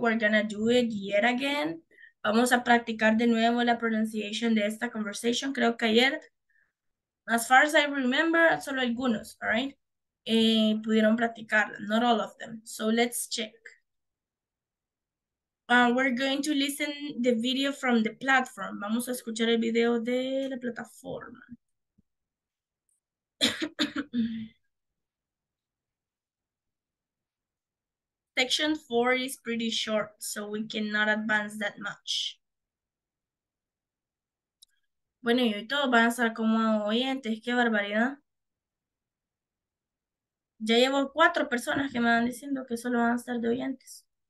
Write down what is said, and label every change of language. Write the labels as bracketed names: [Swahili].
[English] We're gonna do it yet again. [Spanish] Vamos a practicar de nuevo la pronunciation de esta conversation. Creo que ayer, [English] as far as I remember, [Spanish] solo algunos, [English] all right? [Spanish] Pudieron practicar, [English] not all of them. So let's check. We're going to listen the video from the platform. [Spanish] Vamos a escuchar el video de la plataforma. [English] Section 4 is pretty short, so we cannot advance that much. [Spanish] Bueno, y hoy todos van a estar como oyentes, qué barbaridad. Ya llevo 4 personas que me van diciendo que solo van a estar de oyentes.